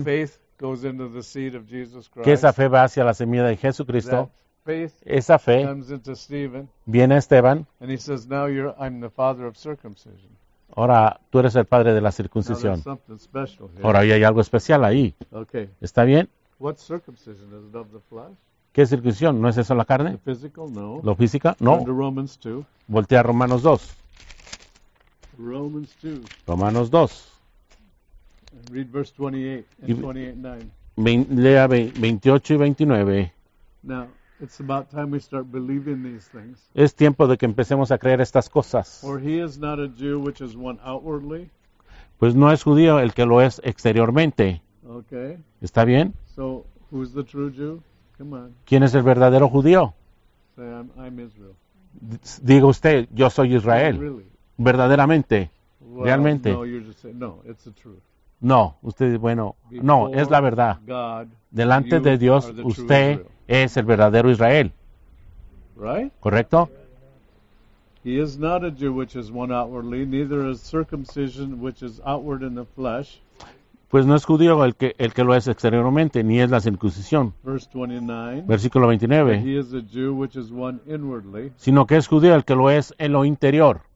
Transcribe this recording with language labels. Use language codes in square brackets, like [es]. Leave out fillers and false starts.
[en] That faith goes into the seed of Jesus Christ. [es] Que esa fe va hacia la semilla de Jesucristo. [en] That faith, [es] esa fe [en] comes into Stephen, [es] viene a Esteban. [en] And he says, now I'm the father of circumcision. [es] Ahora, tú eres el padre de la circuncisión. [en] Now, there's something special here. [es] Ahora, ahí hay algo especial ahí. [en] Okay. [es] ¿Está bien? [en] What circumcision? Is it of the flesh? [es] ¿Qué circuncisión? ¿No es eso la carne? [en] The physical? No. [es] ¿Lo física? No. [en] Turn to Romans 2. [es] Voltea a Romanos 2. [en] Romans 2. [es] Romanos 2. [en] Read verse 28 and [es] 28:9. Lea 28 y 29. [en] Now, it's about time we start believing these things. [es] Es tiempo de que empecemos a creer estas cosas. [en] For he is not a Jew which is one outwardly. [es] Pues no es judío el que lo es exteriormente. [en] Okay. [es] ¿Está bien? [en] So, who's the true Jew? Come on. [es] ¿Quién es el verdadero judío? [en] Say, I'm Israel. [es] Diga usted, yo soy Israel. [en] Really? [es] Verdaderamente. [en] Well, [es] realmente. [en] No, you're just saying, no, it's the truth. [es] No, usted dice, bueno, [en] before [es] no, es la verdad. [en] God, [es] delante de Dios, usted es el verdadero Israel. [en] Right? [es] ¿Correcto? [en] He is not a Jew which is one outwardly, neither is circumcision which is outward in the flesh. [es] Pues no es judío el que lo es exteriormente, ni es la circuncisión. [en] Verse 29. [es] Versículo 29. Sino que es judío el que lo es en lo interior.